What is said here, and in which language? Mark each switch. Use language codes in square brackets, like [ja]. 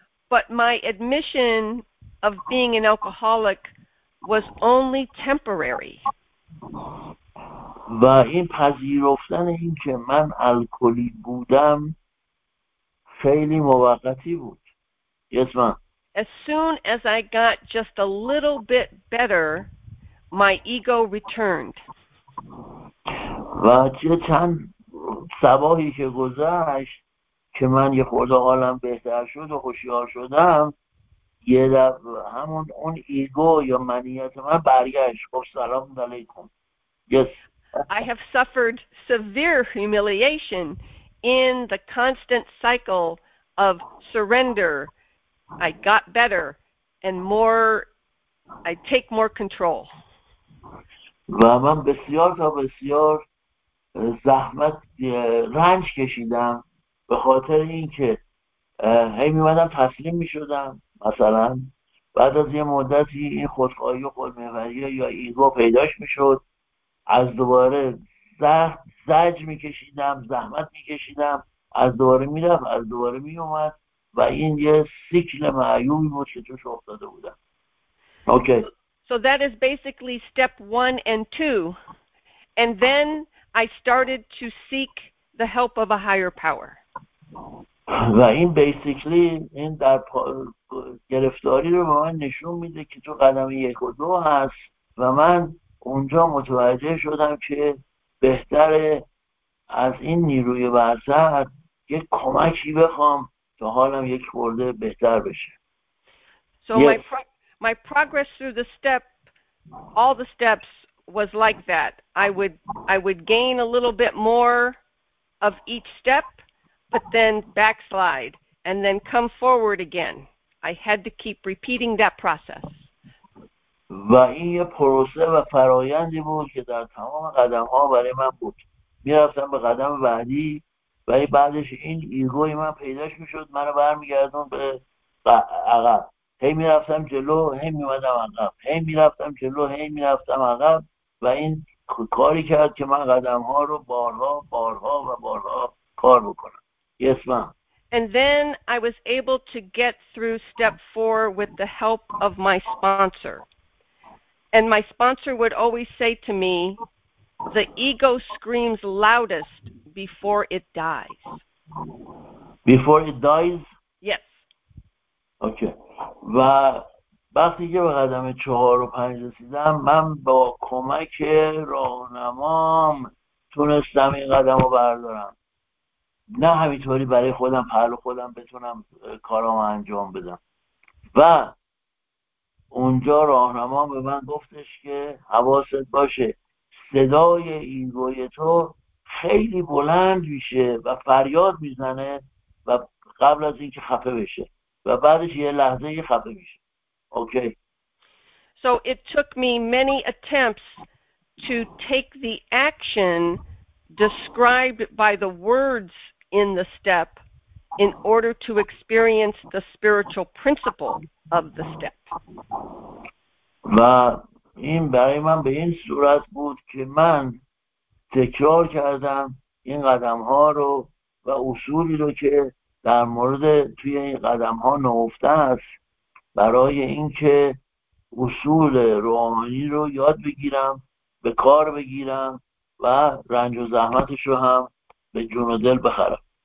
[en] But my admission of being an alcoholic was only temporary. [fa] و این پذیرفتن این که من الکلی بودم خیلی موقتی بود. [en] Yes, ma'am. As soon as I got just a little bit better, my ego returned. [fa] و چه چند سباهی که گذشت که من یه خورده حالم بهتر شد و خوشیار شدم، یه دفعه همون اون ایگو یا منیت من برگشت. خب سلام علیکم. [en] Yes. I have suffered severe humiliation in the constant cycle of surrender. I got better and more, I take more control. [fa] و من بسیار تا بسیار زحمت رنج کشیدم به خاطر اینکه هی میمدم تسلیم میشدم، مثلا بعد از یه مدتی این خودخواهی و خودمحوری یا ایگو پیداش میشد، از دوباره زج میکشیدم، زحمت میکشیدم، از دوباره میرفت، از دوباره میومد و این یه سیکل معیوبی بود که توش افتاده بودم. Okay. [en] So that is basically step one and two. And then I started to seek the help of a higher power. [fa] و این بیسیکلی این در گرفتاری رو به من نشون میده که تو قدم یک و دو هست و من اونجا متوجه شدم که بهتر از این نیروی وسط یک کمکی بخوام تا حالم یک خورده بهتر بشه. [en] So yes. my progress through the step, all the steps was like that. I would gain a little bit more of each step, but then backslide and then come forward again. I had to keep repeating that process. [fa] و این یه پروسه و فرایندی بود که در تمام قدم ها برای من بود. میرفتم به قدم بعدی و بعدش این ایگوی من پیداش میشد، منو برمیگردون به و عقب، هی می رفتم جلو، هی می اومدم عقب، هی می رفتم جلو، هی می رفتم عقب، و این کاری کرد که من قدم ها رو بارها بارها و بارها کار بکنم. [en] Yes, ma'am. And then I was able to get through step four with the help of my sponsor. And my sponsor would always say to me, the ego screams loudest before it dies. Before it dies? Yes. Okay. [fa] و وقتی که به قدم چهار و پنج رسیدم، من با کمک راهنمام تونستم این قدم رو بردارم. نه همینطوری برای خودم پهلو خودم بتونم کارام انجام بدم. و اونجا راهنما به من گفتش که حواست باشه صدای ایگوی تو خیلی بلند میشه و فریاد میزنه و قبل از اینکه خفه بشه و بعدش یه لحظه یه خفه میشه. اوکی. [en] So it took me many attempts to take the action described by the words in the step in order to experience the spiritual principle of the step. [fa] و این برای من به این صورت بود که من تکرار کردم این قدم ها رو و اصولی رو که در مورد توی این قدم ها نهفته است برای اینکه اصول روحانی رو یاد بگیرم، به کار بگیرم و رنج و زحمتش رو هم به جون و دل بخرم.